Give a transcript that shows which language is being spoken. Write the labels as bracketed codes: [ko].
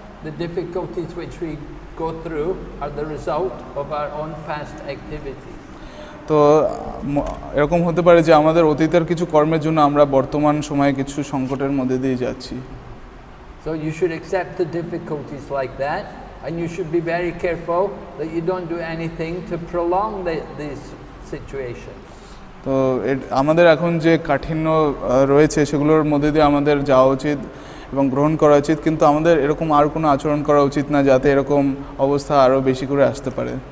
[en] The difficulties which we go through are the result of our own past activity. [bn] তো এরকম হতে পারে যে আমাদের অতীতের কিছু কর্মের জন্য আমরা বর্তমান সময়ে কিছু সংকটের মধ্যে দিয়ে যাচ্ছি. [en] So you should accept the difficulties like that and you should be very careful that you don't do anything to prolong these situations. [bn] তো আমাদের এখন যে কাঠিন্য রয়েছে সেগুলোর মধ্যে দিয়ে আমাদের যাওয়া উচিত এবং গ্রহণ করা উচিত কিন্তু আমাদের এরকম আর কোনো আচরণ করা উচিত না যাতে এরকম অবস্থা আরো বেশি করে আসতে পারে